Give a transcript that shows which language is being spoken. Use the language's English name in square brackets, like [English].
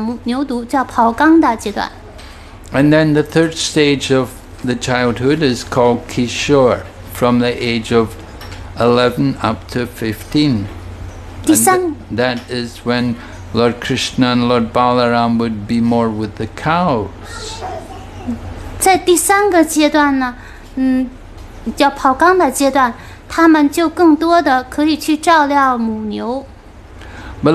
[Chinese] 等他稍微长大一点呢，他就和他的牧牛同伙伴和他的哥哥巴拉拉玛一起，他们就可以和小牛犊一起玩耍，去照料小牛犊，叫跑刚的阶段。 [English] And then the third stage of the childhood is called Kishore, from the age of 11 up to 15. [Chinese] 第三, [English] that is when Lord Krishna and Lord Balaram would be more with the cows. [Chinese] 在第三个阶段呢，叫跑刚的阶段，他们就更多的可以去照料母牛。 [English] But